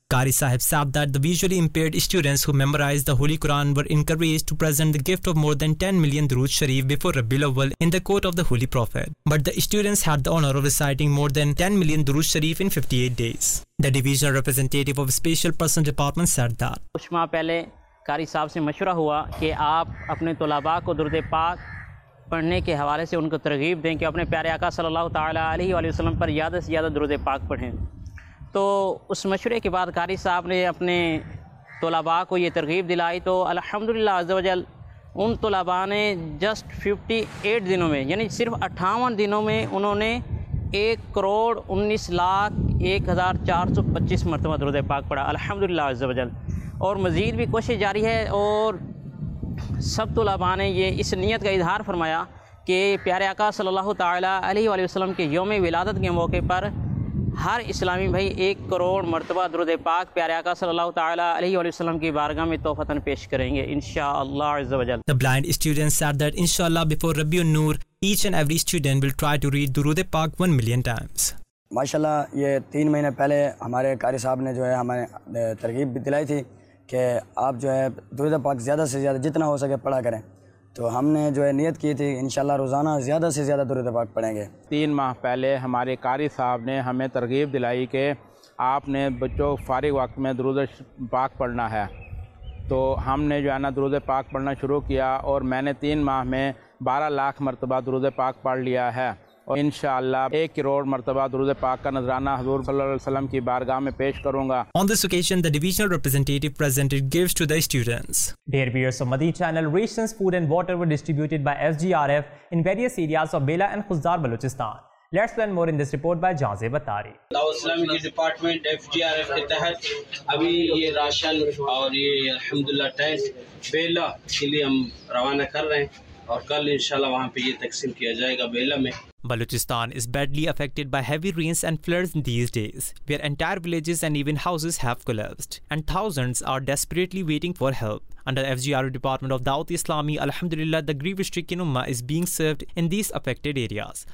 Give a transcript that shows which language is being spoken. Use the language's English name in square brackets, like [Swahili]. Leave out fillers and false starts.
[English] Qari Sahib said that the visually impaired students who memorized the Holy Quran were encouraged to present the gift of more than 10 million Durood Sharif before Rabbil Awwal in the court of the Holy Prophet. But the students had the honor of reciting more than 10 million Durood Sharif in 58 days. The divisional representative of Special Person Department said that [Urdu] Kuch maah pehle Qari Sahib se mashwara hua ki aap apne tulaba ko Durood Pak پڑھنے کے حوالے سے ان کو ترغیب دیں کہ اپنے پیارے آقا صلی اللہ تعالیٰ علیہ وآلہ وسلم پر زیادہ سے زیادہ درود پاک پڑھیں. تو اس مشورے کے بعد قاری صاحب نے اپنے طلباء کو یہ ترغیب دلائی تو الحمدللہ عزوجل ان طلباء نے جسٹ 58 دنوں میں یعنی صرف 58 دنوں میں انہوں نے 1,19,1,425 مرتبہ درود پاک پڑھا الحمدللہ عزوجل. اور مزید بھی کوشش جاری ہے اور سب طلباء نے یہ اس نیت کا اظہار فرمایا کہ پیارے آقا صلی اللہ تعالیٰ علیہ وآلہ وسلم کے یوم ولادت کے موقع پر ہر اسلامی بھائی 1 کروڑ مرتبہ درود پاک پیارے آقا صلی اللہ تعالیٰ علیہ وآلہ وسلم کی بارگاہ میں تحفتاً پیش کریں گے انشاءاللہ عز و جل. [English] The blind students said that inshallah before Rabbi Unnur, each and every student will try to read durood pak 1 million times. [Urdu] ماشاءاللہ یہ 3 مہینے پہلے ہمارے قاری صاحب نے جو ہے ہمیں ترغیب بھی دلائی تھی کہ آپ جو ہے درود پاک زیادہ سے زیادہ جتنا ہو سکے پڑھا کریں. تو ہم نے جو ہے نیت کی تھی انشاءاللہ روزانہ زیادہ سے زیادہ درود پاک پڑھیں گے. 3 ماہ پہلے ہمارے قاری صاحب نے ہمیں ترغیب دلائی کہ آپ نے بچوں فارغ وقت میں درود پاک پڑھنا ہے. تو ہم نے جو ہے نا درود پاک پڑھنا شروع کیا اور میں نے 3 ماہ میں 12 لاکھ مرتبہ درود پاک پڑھ لیا ہے اور انشاءاللہ 1 کروڑ مرتبہ درود پاک کا نذرانہ حضور صلی اللہ علیہ وسلم کی بارگاہ میں پیش کروں گا. [English] On this occasion, the divisional representative presented gifts to the students. Dear viewers of Madhi Channel, rations, food and water were distributed by SGRF in various areas of Bela and Khuzdar, Balochistan. Let's learn more in this report by جازے بتاری. [Urdu] دعوت اسلامی کی department F جی R F کے تحت ابھی یہ ration اور یہ الحمدللہ ٹینٹ بیلا کے لیے ہم روانہ کر رہے ہیں اور کل انشاءاللہ وہاں پہ یہ تقسیم کیا جائے گا بیلا میں. [English] Balochistan is badly affected by heavy rains and floods these days, where entire villages and even houses have collapsed, and thousands are desperately waiting for help. Under FGRU Department of Dawat Islami, Alhamdulillah, the grief-stricken Ummah is being served in these affected areas.